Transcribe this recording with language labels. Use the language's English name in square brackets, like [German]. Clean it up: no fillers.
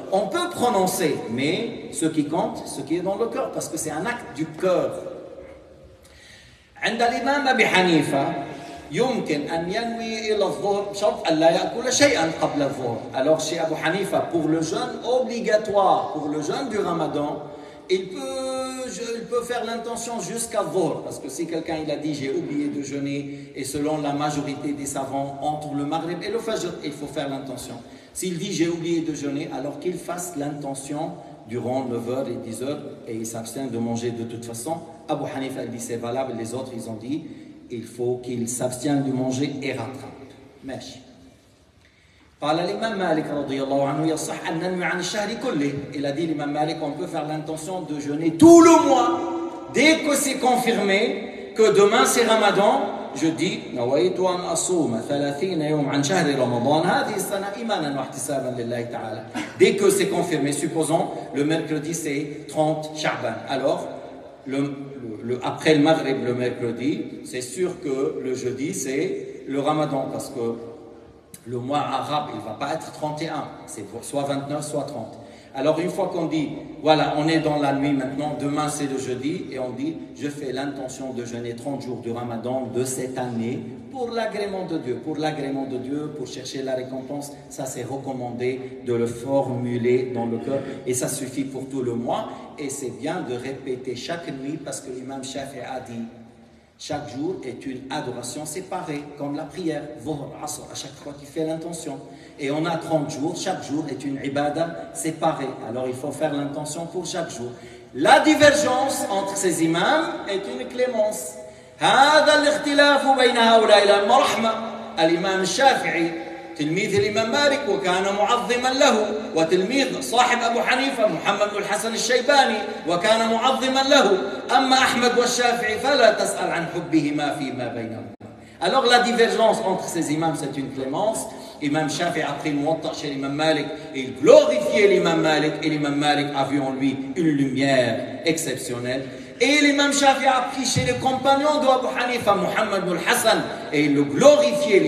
[French] On peut prononcer, mais ce qui compte, ce qui est dans le cœur, parce que c'est un acte du cœur. [Arabic] عند الإمام أبي حنيفة يمكن أن ينوي إلى الظهر شرط أن لا يأكل شيئا قبل الظهر. [French] Alors chez Abu Hanifa, pour le jeûne obligatoire, pour le jeûne du Ramadan, il peut il peut faire l'intention jusqu'à Dhuhr, parce que si quelqu'un il a dit j'ai oublié de jeûner, et selon la majorité des savants, entre le Maghrib et le Fajr, il faut faire l'intention. S'il dit j'ai oublié de jeûner, alors qu'il fasse l'intention durant 9h et 10h, et il s'abstient de manger de toute façon. Abu Hanifa dit c'est valable, les autres ils ont dit il faut qu'il s'abstienne de manger et rattrape. Merci. [Arabic] قال الإمام مالك رضي الله عنه يصح أن ننوي عن الشهر كله. [French] Il a dit l'imam Malik, on peut faire l'intention de jeûner tout le mois. Dès que c'est confirmé que demain c'est Ramadan, je dis [Arabic] نويت أن أصوم 30 يوم عن شهر رمضان هذه السنة إيمانا واحتسابا لله تعالى. [French] Dès que c'est confirmé, supposons le mercredi c'est 30 Sha'ban. Alors le après le Maghrib le mercredi, c'est sûr que le jeudi c'est le Ramadan, parce que le mois arabe, il ne va pas être 31, c'est soit 29, soit 30. Alors une fois qu'on dit, voilà, on est dans la nuit maintenant, demain c'est le jeudi, et on dit, je fais l'intention de jeûner 30 jours du Ramadan de cette année pour l'agrément de Dieu. Pour l'agrément de Dieu, pour chercher la récompense, ça c'est recommandé de le formuler dans le cœur, et ça suffit pour tout le mois. Et c'est bien de répéter chaque nuit, parce que l'imam Shafi'i a dit, chaque jour est une adoration séparée, comme la prière, à chaque fois qu'il fait l'intention. Et on a 30 jours, chaque jour est une ibada séparée. Alors il faut faire l'intention pour chaque jour. La divergence entre ces imams est une clémence. [Arabic] هذا الاختلاف بين هؤلاء المرحمة الإمام الشافعي تلميذ الإمام مالك وكان معظما له وتلميذ صاحب أبو حنيفة محمد بن الحسن الشيباني وكان معظما له أما أحمد والشافعي فلا تسأل عن حبهما فيما بينهما. [French] Alors la divergence entre ces imams c'est une clémence. Imam Shafi a pris Muwatta chez l'imam Malik, il glorifiait l'imam Malik et l'imam Malik a vu en lui une lumière exceptionnelle. Et l'imam Shafi a pris chez les compagnons de Abu Hanifa, Muhammad ibn Hassan, et il le glorifiait.